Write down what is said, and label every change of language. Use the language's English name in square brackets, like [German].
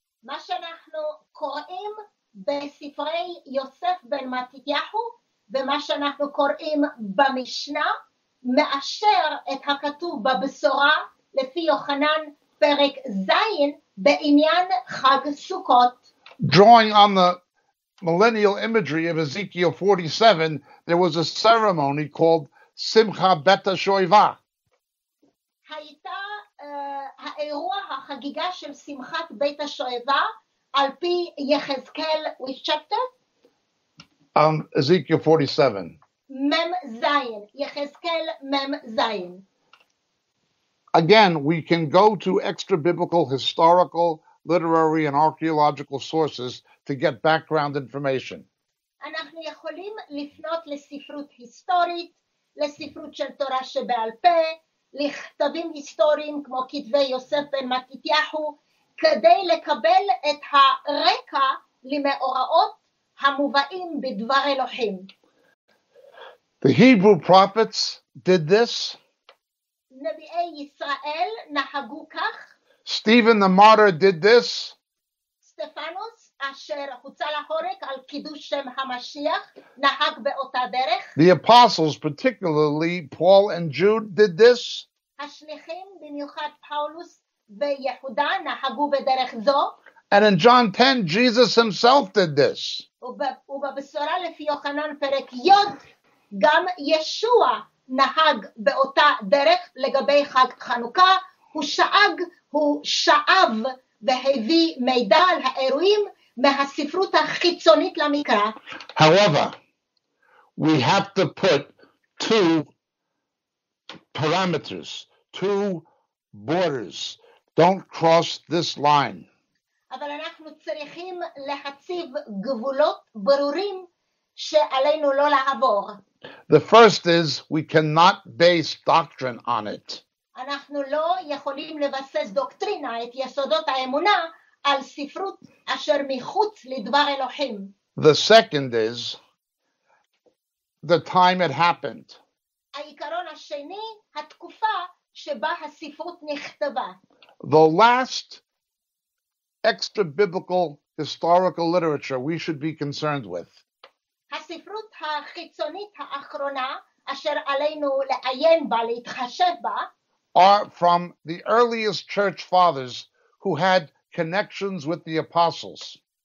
[Hebrew] מה שאנחנו קוראים בספרי יוסף בן מתתיהו ומה שאנחנו קוראים במשנה מאשר את הכתוב בבשורה לפי יוחנן פרק זין בעניין חג סוכות. [English] Drawing on the millennial imagery of Ezekiel 47, there was a ceremony called Simcha Bet HaShoiva. [Hebrew] הייתה האירוע החגיגה של שמחת בית השואבה על פי יחזקאל ויצ'פטר? [English] Ezekiel 47. [Hebrew] מם זיין, יחזקאל מם זיין. [English] Again, we can go to extra-biblical, historical, literary, and archaeological sources to get background information. [Hebrew] אנחנו יכולים לפנות לספרות היסטורית, לספרות של תורה שבעל פה, לכתבים היסטוריים כמו כתבי יוסף בן מתתיהו, כדי לקבל את הרקע למאורעות המובאים בדבר אלוהים. [English] The Hebrew prophets did this. [Hebrew] נביאי ישראל נהגו כך. [English] Stephen the martyr did this. [Hebrew] סטפנוס אשר הוצא להורג על קידוש שם המשיח נהג באותה דרך. [English] The apostles, particularly Paul and Jude, did this. [Hebrew] השליחים במיוחד פאולוס ויהודה נהגו בדרך זו. [English] And in John 10, Jesus himself did this. [Hebrew] ובבשורה לפי יוחנן פרק י' גם ישוע נהג באותה דרך לגבי חג חנוכה, הוא שאב והביא מידע על האירועים מהספרות החיצונית למקרא. [English] However, we have to put two parameters, two borders. Don't cross this line. [Hebrew] אבל אנחנו צריכים להציב גבולות ברורים שעלינו לא לעבור. [English] The first is we cannot base doctrine on it. [Hebrew] אנחנו לא יכולים לבסס דוקטרינה, את יסודות האמונה, על ספרות אשר מחוץ לדבר אלוהים. [English] The second is the time it happened. [Hebrew] העיקרון השני, התקופה שבה הספרות נכתבה. [English] The last extra-biblical historical literature we should be concerned with. [Hebrew] הספרות הספרות החיצונית האחרונה אשר עלינו לעיין בה, להתחשב בה, [English] are from the earliest church fathers who had connections with the apostles.